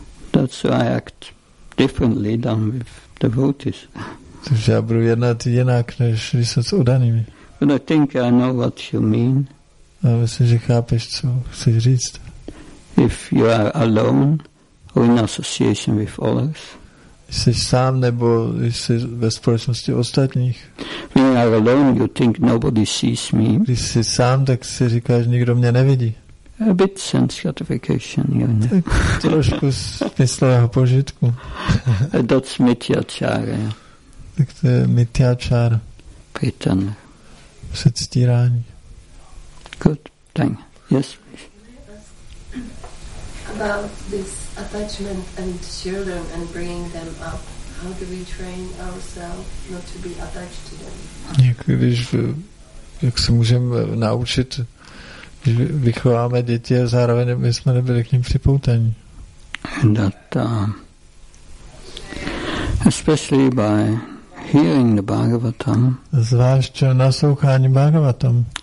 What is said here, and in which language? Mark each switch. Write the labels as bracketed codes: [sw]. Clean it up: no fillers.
[en] That's why I act differently than with devotees. [cs] Takže já budu jednat jinak, než když jsem s oddanými. [en] But I think I know what you mean. [cs] A myslím, že chápeš, co chceš říct. [en] If you are alone or in association with others. [cs] Jsi sám nebo jsi ve společnosti ostatních. [en] When you are alone, you think nobody sees me. [cs] Když jsi sám, tak si říkáš, nikdo mě nevidí. [en] A bit sense gratification, you know. [cs] Tak trošku smyslového požitku. [en] That's mityacara. [cs] Tak to je mityacara. [sa] Pritana. [cs] Předstírání. [en] Good. Thank you. Yes, please. About this attachment and children and bringing them up, how do we train ourselves not to be attached to them? [cs] Jak se můžeme naučit, když vychováme děti a zároveň my jsme nebyli k ním připoutaní. [en] That, especially by hearing the Bhagavatam. [cs] Zvlášť naslouchání Bhagavatam.